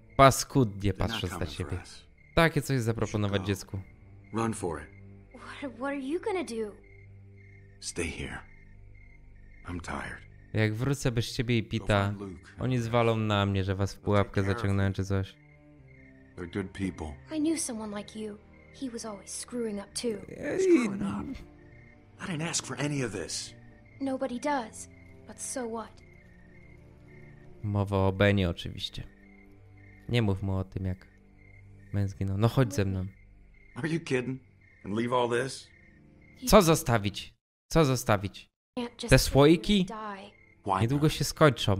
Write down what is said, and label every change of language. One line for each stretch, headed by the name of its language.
Polish: Paskudnie patrząc na ciebie. Takie coś zaproponować dziecku.
English: Run for it. What are you gonna do? Stay here. I'm tired.
Polish: Jak wrócę bez ciebie i Pita, oni zwalą na mnie, że was w pułapkę zaciągnę czy coś.
English: They're good people. I knew someone like you. He was always screwing up too. Screwing up. I didn't ask for any of this. Nobody does. But so what?
Polish: Mowa o Benie oczywiście. Nie mów mu o tym, jak Ben zginął. No chodź ze mną.
English: Are you kidding? And leave all this?
Polish: Co zostawić? Co zostawić? Te słoiki? Niedługo się skończą.